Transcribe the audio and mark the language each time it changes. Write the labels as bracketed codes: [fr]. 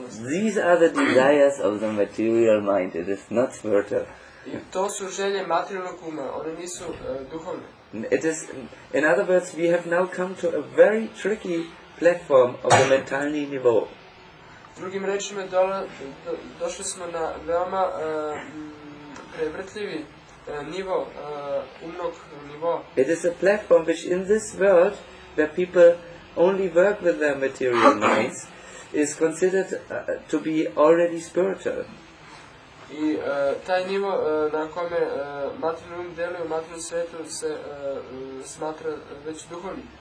[en] These are the desires of the material mind, it is not spiritual. [sr] I to su želje materijalnog uma, one nisu duhovne. [en] It is, in other words, we have now come to a very tricky platform of the [sr] mentalni nivou. Drugim rečima, došli smo na veoma prevrtljivi nivo, umnog nivo. [en] It is a platform which in this world that people only work with their material needs is considered to be already spiritual. [sr] I taj nivo na kome materijalni deluje u materijalnom svijetu se smatra već duhovnim.